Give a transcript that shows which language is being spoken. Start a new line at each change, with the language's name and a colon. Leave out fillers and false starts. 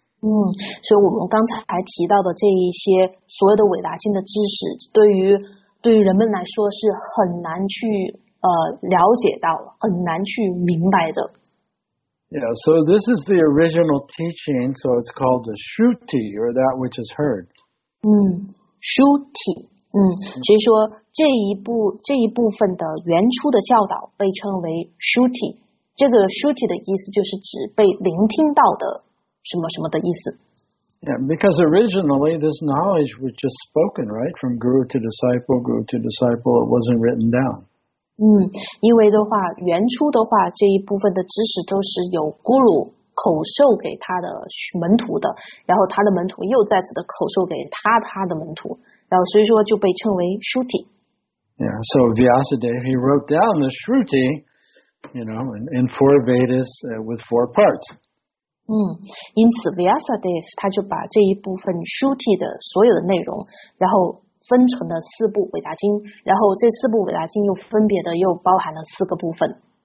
Chinese: 嗯，所以我们刚才提到的这一些所有的伟达经的知识，对于人们来说是很难去了解到，很难去明白的。
English: Yeah, so this is the original teaching, so it's called the Shruti, or that which is heard.
Chinese: 嗯 ，Shruti。嗯，所以说这一部分的原初的教导被称为 Shruti， 这个 Shruti 的意思就是指被聆听到的什么什么的意思。
English: Yeah, because originally this knowledge was just spoken, right, from guru to disciple, guru to disciple. It wasn't written down.
Chinese: 嗯，因为的话，原初的话，这一部分的知识都是由 guru 口授给他的门徒的，然后他的门徒又再次的口授给他的门徒。然后所以说就被称为 Shruti。
English: Yeah, so Vyasadeva, he wrote down the Shruti, you know, in four Vedas with four parts.
Chinese: 嗯，因此 Vyasadeva 他就把这一部分 Shruti 的所有的内容，然后分成了四部伟达经，然后这四部伟达经又分别的又包含了四个部分。